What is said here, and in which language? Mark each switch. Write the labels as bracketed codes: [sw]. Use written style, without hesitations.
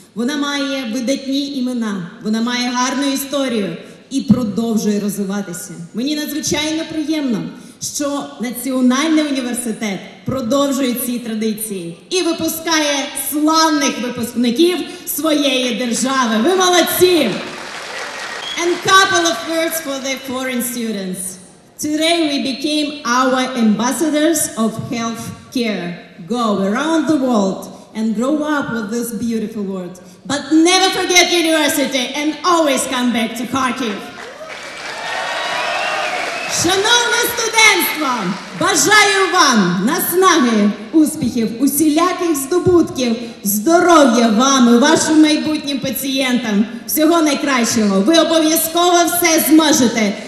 [uk] Вона має видатні імена, вона має гарну історію і продовжує розвиватися. Мені надзвичайно приємно, що Національний університет продовжує ці традиції і випускає славних випускників своєї держави. Ви молодці! [en] And a couple of words for the foreign students. Today we became our ambassadors of health care. Go around the world and grow up with this beautiful world. But never forget university and always come back to Kharkiv. [uk] Шановне студентство, бажаю вам наснаги, успіхів, усіляких здобутків, здоров'я вам і вашим майбутнім пацієнтам. Всього найкращого. Ви обов'язково все зможете.